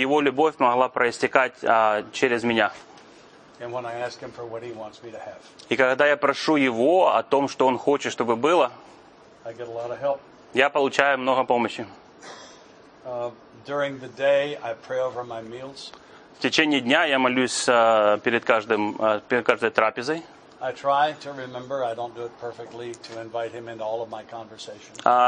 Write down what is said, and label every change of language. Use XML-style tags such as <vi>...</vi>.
<ru>Его любовь могла проистекать через меня.</ru> <en>And when I ask him for what he wants me to have,</en> <ru>и когда я прошу его о том, что он хочет, чтобы было,</ru> <en>I get a lot of help.</en> <ru>Я получаю много помощи.</ru> <en>During the day I pray over my meals.</en> <ru>В течение дня я молюсь перед каждой трапезой.</ru> <en>I try to remember, I don't do it perfectly, to invite him into all of my conversations.</en>